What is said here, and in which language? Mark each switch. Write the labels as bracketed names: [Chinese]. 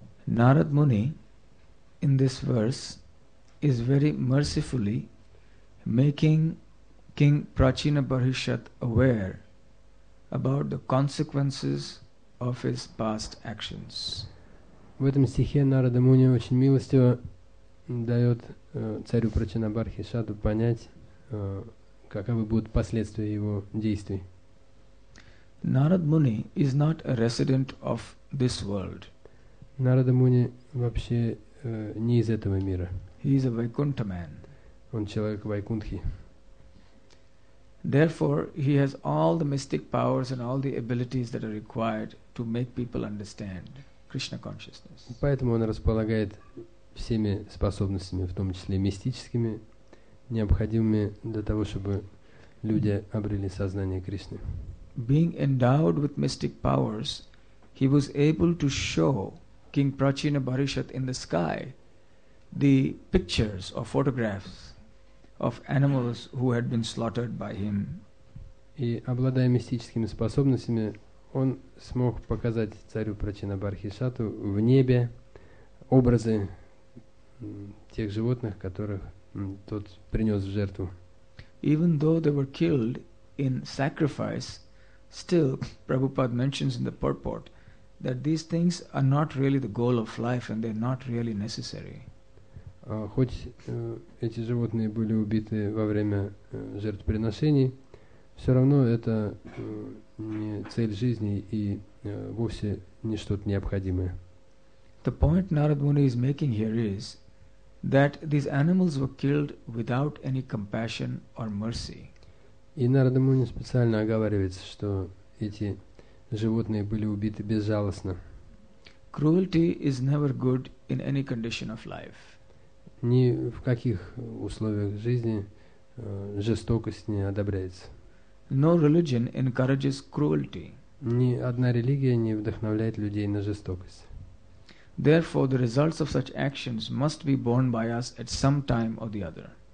[English] Narad Muni, in this verse, is very mercifully making King Prachina Parishat aware about the consequences of his past actions. [Russian] В этом стихе Нарада Муни очень милостиво дает царю Прачина Бархишаду понять, каковы будут последствия его действий. [English] Narad Muni is not a resident of this world. [Russian] Нарада Муни вообще не из этого мира. [English] He is a Vaikuntha man. [Russian] Он человек Вайкунтхи. [English] Therefore, he has all the mystic powers and all the abilities that are required to make people understand Krishna consciousness. [Russian] Поэтому он располагает всеми способностями, в том числе мистическими, необходимыми для того, чтобы люди обрели сознание Кришны. [English] Being endowed with mystic powers, he was able to show King Prachina Parishat in the sky the pictures or photographs of animals who had been slaughtered by him. [Russian] И обладая мистическими способностями, он смог показать царю Прачина Бархишату в небе образы тех животных, которых тот принес в жертву. [English] Even though they were killed in sacrifice, still Prabhupada mentions in the purport that these things are not really the goal of life and they're not really necessary. [Russian] Хоть эти животные были убиты во время жертвоприношений, все равно это не цель жизни и вовсе не что-то необходимое. [English] The point Narad Muni is making here is that these animals were killed without any compassion or mercy. [Russian] И Нарада Муни специально оговаривается, что эти животные были убиты безжалостно. [English] Cruelty is never good in any condition of life. [Russian] Ни в каких условиях жизни жестокость не одобряется. [English] No religion encourages cruelty. [Russian] Ни одна религия не вдохновляет людей на жестокость. [English] Therefore, the results of such actions must be borne by us at some time or the other.